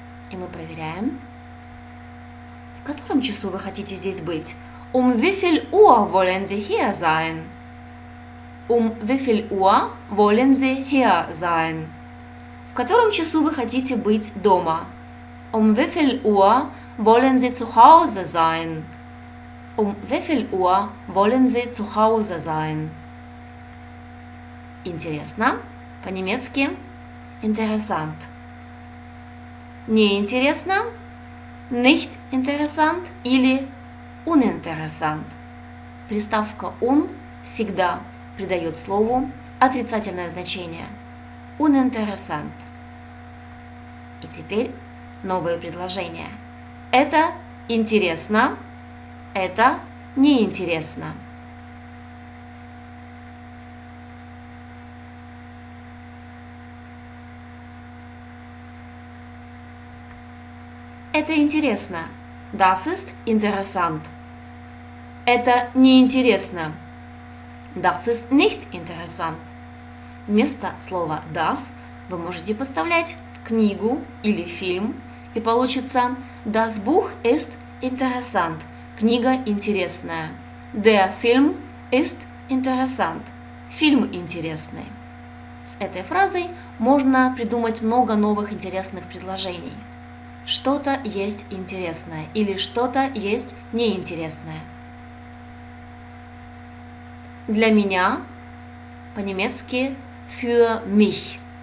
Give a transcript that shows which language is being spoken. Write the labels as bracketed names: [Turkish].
[Russian] И мы проверяем. В котором часу вы хотите здесь быть? [German] Wie viel Uhr wollen Sie hier sein? Wie viel Uhr wollen Sie hier sein? [Russian] В котором часу вы хотите быть дома? [German] Wie viel Uhr wollen Sie zu Hause sein? Wie viel Uhr wollen Sie zu Hause sein? [Russian] Интересно. По-немецки interessant. Неинтересно, [German] nicht interessant [Russian] или uninteressant. Приставка un всегда придает слову отрицательное значение. [German] Uninteressant. [Russian] И теперь новое предложение. Это интересно, это неинтересно. Это интересно. [German] Das ist interessant. [Russian] Это неинтересно. [German] Das ist nicht interessant. [Russian] Вместо слова das вы можете поставлять книгу или фильм, и получится [German] Das Buch ist interessant. [Russian] Книга интересная. [German] Der Film ist interessant. [Russian] Фильм интересный. С этой фразой можно придумать много новых интересных предложений. Что-то есть интересное или что-то есть неинтересное. Для меня, по-немецки [German] für mich.